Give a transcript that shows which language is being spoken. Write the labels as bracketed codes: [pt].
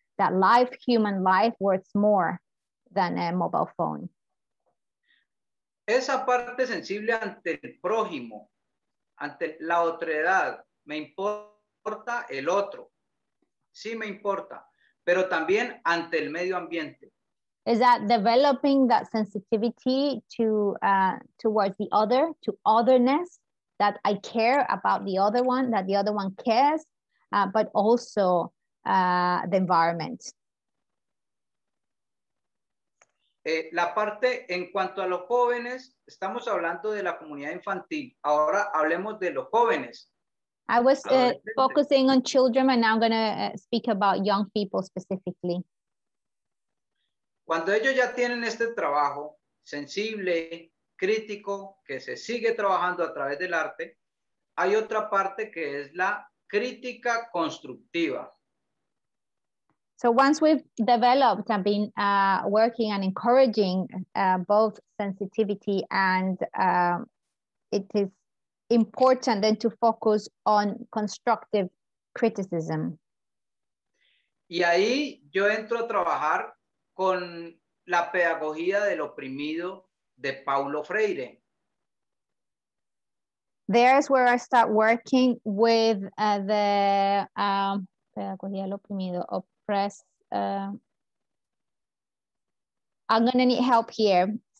[en] That life, human life, worth more than a mobile phone. [es] Esa parte sensible ante el prójimo, ante la otredad, me importa el otro. Sí me importa, pero también ante el medio ambiente. [en] Is that developing that sensitivity to towards the other, to otherness, that I care about the other one, that the other one cares, but also the environment. [es] La parte en cuanto a los jóvenes, estamos hablando de la comunidad infantil. Ahora hablemos de los jóvenes. [en] I was focusing on children and now I'm going to speak about young people specifically. [es] Cuando ellos ya tienen este trabajo sensible, crítico, que se sigue trabajando a través del arte, hay otra parte que es la crítica constructiva. [en] So once we've developed and been working and encouraging both sensitivity and it is important then to focus on constructive criticism. [es] Y ahí yo entro a trabajar con la pedagogía del oprimido de Paulo Freire. [en] There's where I start working with the pedagogía del oprimido of I'm going to need help here.